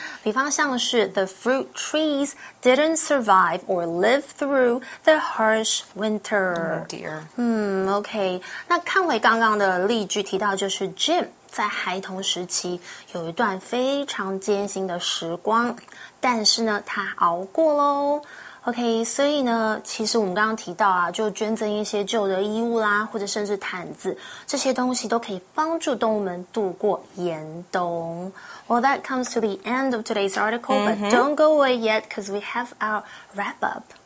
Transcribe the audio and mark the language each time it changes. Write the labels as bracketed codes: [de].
[zh] 比方像是 [en] the fruit trees didn't survive or live through the harsh winter. Oh dear. Okay. [zh] 那看回刚刚的例句提到就是 Jim 在孩童时期有一段非常艰辛的时光，但是呢他熬过咯。 OK, 所以呢其实我们刚刚提到啊，就捐赠一些旧的衣物啦，或者甚至毯子，这些东西都可以帮助动物们度过严冬。 [en] Well, that comes to the end of today's article,、mm-hmm. but don't go away yet, because we have our wrap-up.